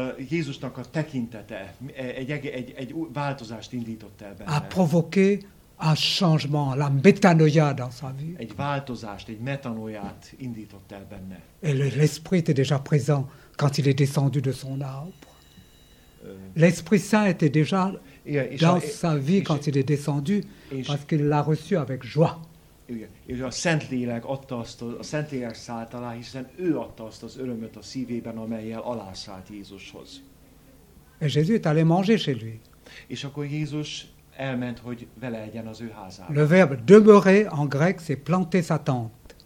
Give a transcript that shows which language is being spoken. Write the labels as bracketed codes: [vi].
[hu] Jézusnak a tekintete egy változást indított el benne. [fr] A provoqué un changement, la métanoïa dans sa vie. [hu] Egy változást, egy metanoiát indított el benne. [fr] Et l'esprit était déjà présent quand il est descendu de son arbre. L'esprit saint était déjà dans sa vie quand il est descendu, parce qu'il l'a reçu avec joie. [hu] és a Szentlélek adta azt a Szentlélek szállt alá, hiszen ő adta azt az örömöt a szívében, amellyel alászállt Jézushoz. [fr] Et Jésus est allé manger chez lui. [hu] És akkor Jézus elment, hogy vele legyen az ő házában. [fr] Le verbe demeurer en grec c'est planter sa tente.